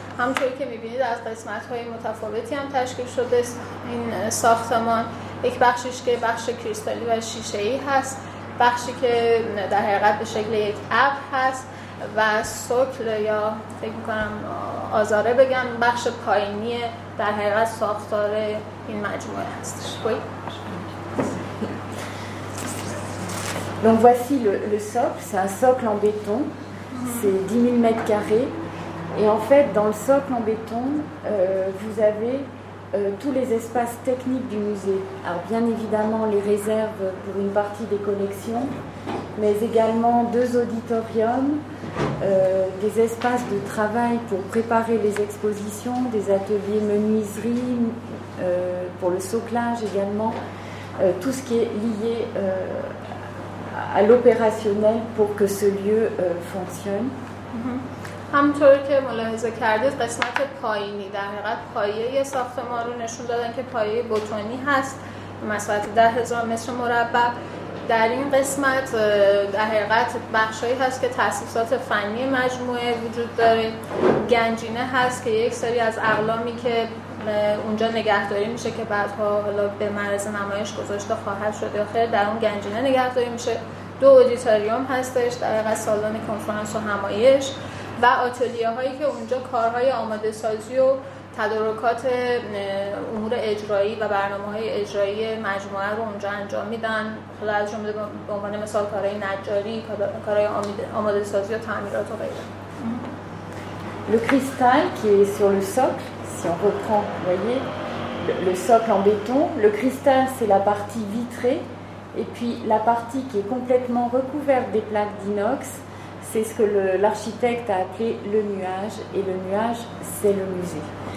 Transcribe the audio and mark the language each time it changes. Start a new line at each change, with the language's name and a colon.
Persian: همونطور که میبینید از قسمت‌های متفاوتی هم تشکیل شده این ساختمان، یک بخشش که بخش کریستالی و شیشه‌ای هست، بخشی که در حقیقت به شکل یک ابر هست و سکل یا فکر می‌کنم آزاره بگم بخش پایینی در حقیقت ساختار این مجموعه هستش.
French: Donc voici le socle, c'est un socle en béton, c'est 10 000 m2 et en fait dans le socle en béton vous avez tous les espaces techniques du musée. Alors bien évidemment les réserves pour une partie des collections, mais également deux auditoriums, des espaces de travail pour préparer les expositions, des ateliers menuiserie pour le soclage également, tout ce qui est lié à l'opérationnel pour que ce lieu fonctionne.
Persian: همطور که ملاحظه کردید قسمت پایینی در حقیقت پایه ساختمان رو نشون دادن که پایه بتونی هست مساحت 10,000 متر مربع در این قسمت در حقیقت بخشایی هست که تأسیسات فنی مجموعه وجود داره. گنجینه هست که یک سری از اقلامی که اونجا نگهداری میشه که بعدها حالا به معرض نمایش گذاشته خواهد شد یا خیر، در اون گنجینه نگهداری میشه. دو اودیتوریوم هستش در حقیقت، سالن کنفرانس و همایش و آتلیه هایی که اونجا کارهای آماده سازی و تدارکات امور اجرایی و برنامه‌های اجرایی مجموعه رو اونجا انجام میدن، خلا از جمله به عنوان مثال کارهای نجاری، کارهای آماده سازی و تعمیرات و غیره.
French: Le cristal qui est sur le socle, si on reprend, vous voyez, le socle en béton, le cristal c'est la partie vitrée et puis la partie qui est complètement recouverte des plaques d'inox, c'est ce que l'architecte a appelé le nuage, et le nuage c'est le musée.